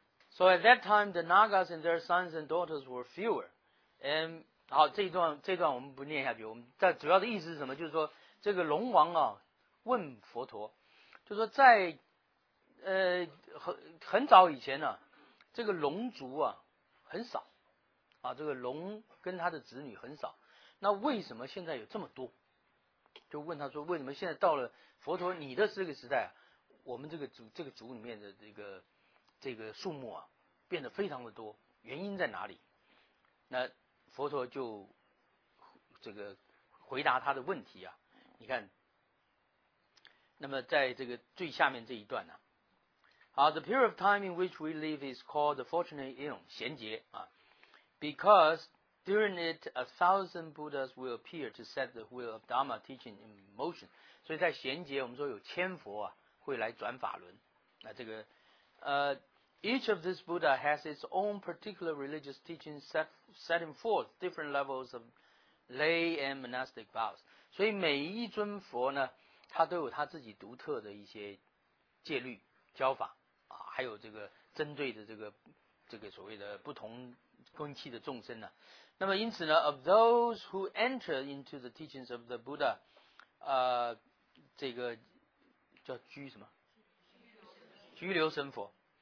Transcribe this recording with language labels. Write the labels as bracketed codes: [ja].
[en] So at that time, the Nagas and their sons and daughters were fewer. [zh] And 好，这一段我们不念下去。我们在主要的意思是什么？就是说，这个龙王啊，问佛陀，就说在很早以前呢、啊，这个龙族啊很少。啊，这个龙跟他的子女很少，那为什么现在有这么多？就问他说，为什么现在到了佛陀你的这个时代、啊，我们这个族里面的这个数目啊，变得非常的多，原因在哪里？那佛陀就这个回答他的问题啊，你看，那么在这个最下面这一段呢、啊，好 ， [en] the period of time in which we live is called the fortunate eon [zh] 贤劫啊。 [en] Because during it, 1,000 Buddhas will appear to set the wheel of Dharma teaching in motion. [zh] 所以在贤劫，我们说有千佛啊会来转法轮。那这个 [en] each of these Buddha has its own particular religious teaching setting forth different levels of lay and monastic vows. [zh] 所以每一尊佛呢，他都有他自己独特的一些戒律、教法啊，还有这个针对的这个所谓的不同。根器的众生呢、啊？那么因此呢 ， [en] of those who enter into the teachings of the Buddha， [zh] 这个叫拘什么？拘留神佛。